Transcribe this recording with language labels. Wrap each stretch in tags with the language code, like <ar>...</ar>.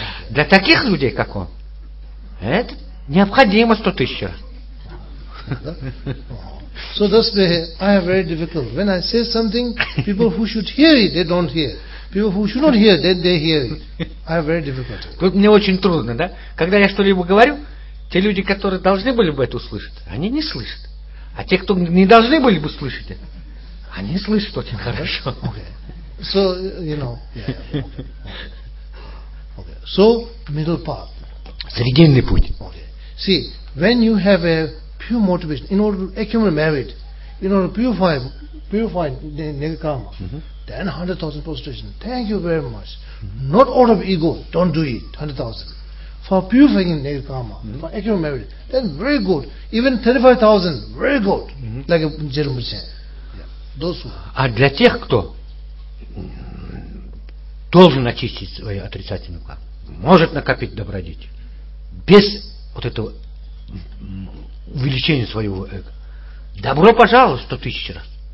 <ru>Для таких людей, как он, это необходимо 100 тысяч раз.</ru> <en>So that's why I have very difficult. When I say something, people who should hear it, they don't hear. People who should not hear, then they hear it. I have very difficult.</en> <ru>Тут мне очень трудно, да? Когда я что-либо говорю, те люди, которые должны были бы это услышать, они не слышат. А те, кто не должны были бы слышать это, они слышат очень хорошо.</ru> <en>Okay. So, you know. Okay. So, middle path.</en> <ru>Срединный путь.</ru> <en>Okay. See, when you have a pure motivation, in order to accumulate merit, in order to purify nega karma, then 100,000 prostration. Thank you very much. Not out of ego, don't do it, 100,000. For purifying nega karma, for accumulate merit, then very good. Even 35,000, very good. Like a gentleman said. Those who.</en> <ru>А для тех, кто должен очистить свою отрицательную карму, может накопить добродетель, без вот этого увеличение своего эго. Добро пожаловать 100 тысяч раз.</ru>